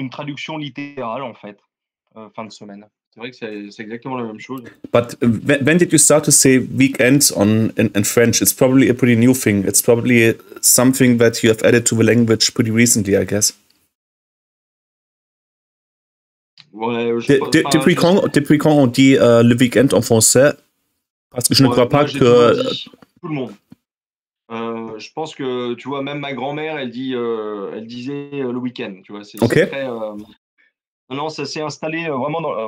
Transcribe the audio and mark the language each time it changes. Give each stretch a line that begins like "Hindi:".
French: une traduction littérale, en fait, fin de semaine. C'est vrai que c'est exactement la même chose.
English: But when did you start to say weekend in French? It's probably a pretty new thing. It's probably something that you have added to the language pretty recently, I guess.
French: Depuis quand on dit le week-end en français? Parce que je ne crois pas que... Tout le monde. Je pense que, tu vois, même ma grand-mère, elle disait le week-end. Tu vois, c'est, okay. C'est très, non, ça s'est installé vraiment dans...